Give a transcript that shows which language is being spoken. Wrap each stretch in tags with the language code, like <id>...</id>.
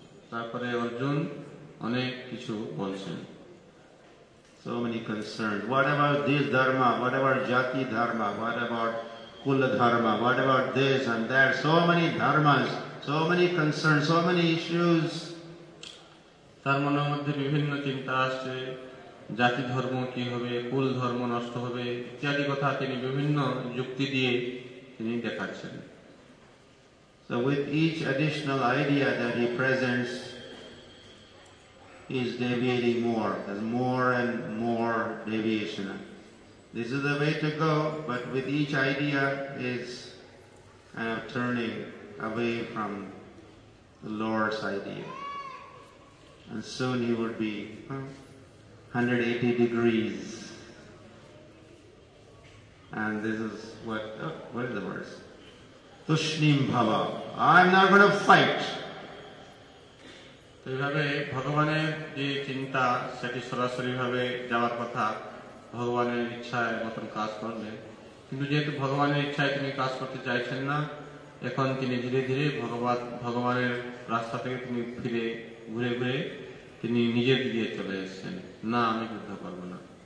<bn>তারপরে অর্জুন অনেক কিছু বলছেন.</bn> <en>So many concerns. What about this dharma? What about jati dharma? What about kula dharma? What about this and that? So many dharmas, so many concerns, so many issues.</en> <bn>তার মনের মধ্যে বিভিন্ন চিন্তা আসছে, জাতি ধর্ম কি হবে, কুল ধর্ম নষ্ট হবে ইত্যাদি কথা তিনি বিভিন্ন যুক্তি দিয়ে তিনি দেখাচ্ছেন.</bn> <en>So with each additional idea that he presents, he is deviating more, there's more and more deviation. This is the way to go, but with each idea is kind of turning away from the Lord's idea. And soon he would be 180 degrees. And this is what, what is the verse?</en> <sa>Tushnim bhava.</sa> <en>I'm not going to fight.</en> <bn>এইভাবে ভগবানের যে চিন্তা সেটি সরাসরি ভাবে যাওয়ার কথা, ভগবানের ইচ্ছায় মতন কাজ করলে. কিন্তু যেহেতু ভগবানের ইচ্ছায় তিনি কাজ করতে চাইছেন না, এখন তিনি ধীরে ধীরে ভগবান ভগবানের রাস্তা থেকে তিনি ফিরে ঘুরে ঘুরে তিনি নিজের দিকে চলে এসেছেন, না আমি যুদ্ধ করবো না.</bn>